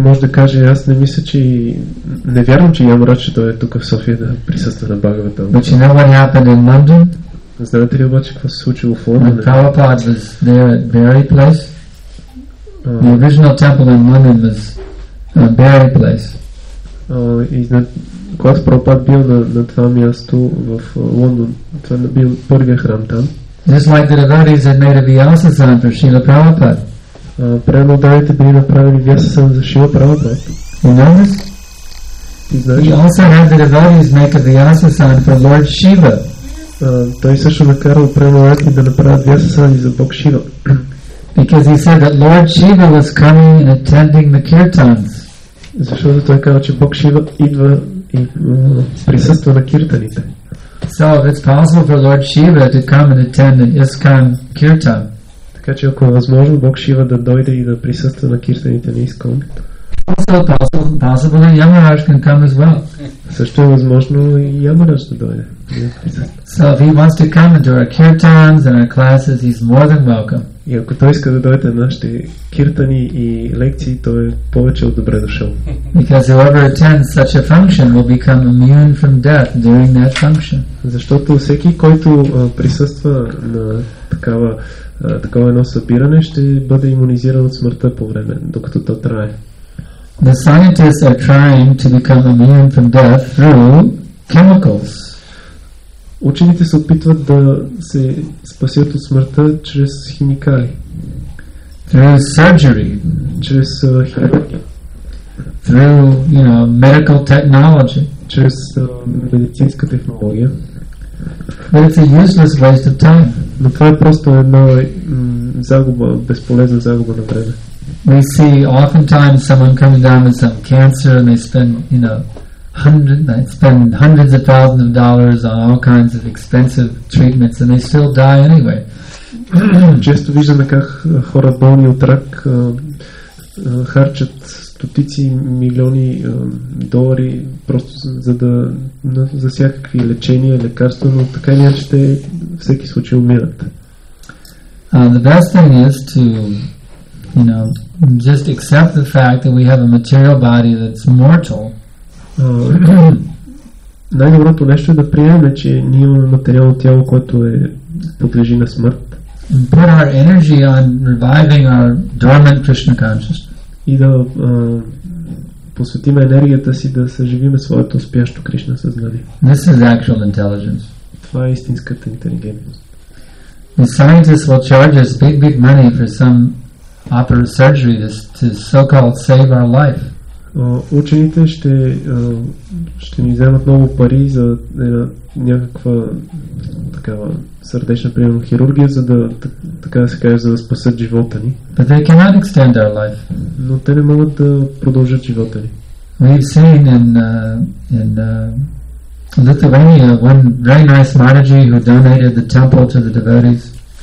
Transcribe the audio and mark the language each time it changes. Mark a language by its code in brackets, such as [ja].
[bg] може да каже, аз не мисля, че не вярвам, че Ямарадж ще дойде тук в София да присъства на Бхагаватам. [en] But you know what happened in London? [bg] Знаете ли обаче какво се случило в Лондон? [en] When Prabhupada was there at Berry Place, the original temple in London was a Berry Place. [bg] Когато Прабхупад бил на това място в Лондон, това не бил първият храм там. [en] Just like the devotees had made a Vyasasan for Srila Prabhupada. [bg] Преналдавите били направили Vyasasan за Srila [en] Prabhupada. You know this? He also had the devotees make a Vyasasan for Lord Shiva. [bg] Той също накарал преналдавите да направят Vyasasan за Бог Шива. [en] Because he said that Lord Shiva was coming and attending the kirtans. [bg] Защото той казал, че Бог Шива идва и присъства на киртаните. [en] So if it's possible for Lord Shiva to come and attend an ISKCON kirtan, [bg] така че ако е възможно Бог Шива да дойде и да присъства на киртаните на ИСКОН, [en] also possible that Yamaraj can come as well. [bg] Също е възможно и Yamaraj да дойде. [en] So if he wants to come into our kirtans and our classes, he's more than welcome. [bg] И ако той иска да дойде на нашите киртани и лекции, той е повече от добре дошъл. [en] Because whoever attends such a function will become immune from death during that function. [bg] Защото всеки, който присъства на такова едно събиране, ще бъде имунизиран от смъртта по време, докато то трае. [en] The scientists are trying to become immune from death through chemicals. [bg] Учените се опитват да се спасят от смъртта чрез химикали. [en] Through surgery. [bg] Чрез хирургия. [en] through, you know, medical technology. [bg] Через медицинска технология. [en] But it's a useless waste of time. [bg] Но това е просто една загуба, безполезна загуба на време. [en] We see oftentimes someone coming down with some cancer and they spend, you know, hundreds of thousands of dollars on all kinds of expensive treatments and they still die anyway. [bg] Често виждаме как хора болни от рак харчат стотици милиони долари просто за да за всякакви лечения, лекарства, но така или иначе те всеки случай умират. [en] The best thing is to, you know, just accept the fact that we have a material body that's mortal. [bg] Най-доброто нещо е да приемем, че ние имаме материално тяло, което е подлежи на смърт. [en] And put our energy on reviving our dormant Krishna consciousness. [bg] И да посветим енергията си да съживим своето спящо Кришна съзнание. [en] This is actual intelligence. [bg] Това е истинската интелигентност. [en] The scientists will charge us big, big money for some operative surgery to so-called save our life. [bg] Учените ще ще ни вземат много пари за една някаква такава сърдечна приемна хирургия, за да така да се каже, за да спасат живота ни. [en] But they cannot extend our life. [bg] Но те не могат да продължат живота ни. [en] We've seen in Lithuania one very nice Mataji who donated the temple to the devotees.